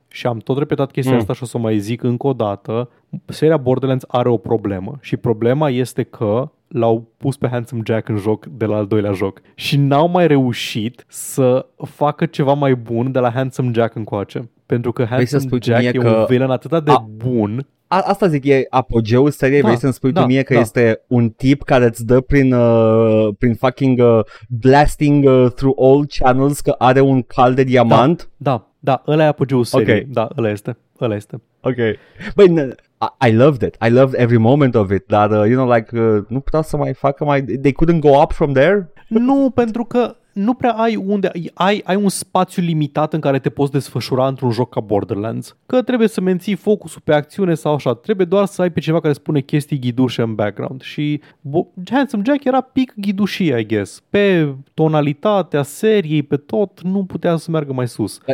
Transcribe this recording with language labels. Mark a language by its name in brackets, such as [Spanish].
[Romanian] Și am tot repetat chestia asta și o să o mai zic încă o dată. Seria Borderlands are o problemă și problema este că l-au pus pe Handsome Jack în joc de la al doilea joc și n-au mai reușit să facă ceva mai bun de la Handsome Jack încoace. Pentru că Handsome Jack e un villain atât de bun. asta zic, e apogeul seriei, vrei să-mi spui tu mie că este un tip care îți dă prin, prin [English] fucking blasting through all channels [Romanian] că are un cal de diamant? Da, ăla e apogeul seriei, okay. Da, ăla este, ăla este. Ok, băi, [English] I loved it, I loved every moment of it, [Romanian] dar, [English] you know, like, [Romanian] nu putea să mai facă mai, [English] they couldn't go up from there? [Romanian] Nu, pentru că nu prea ai unde, ai un spațiu limitat în care te poți desfășura într-un joc ca Borderlands, că trebuie să menții focusul pe acțiune sau așa, trebuie doar să ai pe cineva care spune chestii ghidușe în background și Handsome Jack era pic ghidușii, [English] I guess, [Romanian] pe tonalitatea seriei, pe tot, nu putea să meargă mai sus.